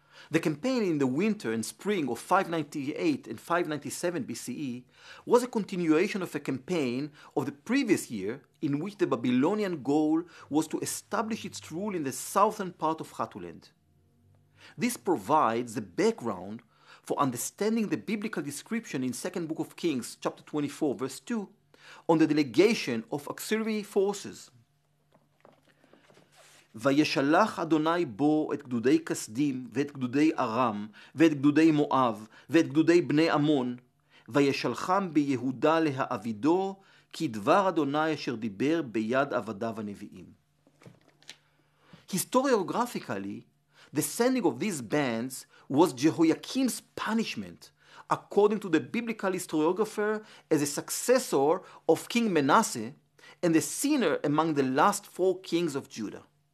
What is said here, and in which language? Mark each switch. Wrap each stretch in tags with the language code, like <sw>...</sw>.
<en>The campaign in the winter and spring of 598 and 597 BCE was a continuation of a campaign of the previous year in which the Babylonian goal was to establish its rule in the southern part of Hattuland. This provides the background for understanding the biblical description in 2nd Book of Kings, chapter 24, verse 2, on the delegation of auxiliary forces.</en> <he>וישלח אדוני בו את גדודי כסדים ואת גדודי ארם ואת גדודי מואב ואת גדודי בני עמון וישלחם ביהודה להעבידו כדבר אדוני אשר דיבר ביד עבדיו הנביאים.</he> <en>Historiographically, the sending of these bands was Jehoiakim's punishment, according to the biblical historiographer, as a successor of King Manasseh and a sinner among the last four kings of Judah.</en>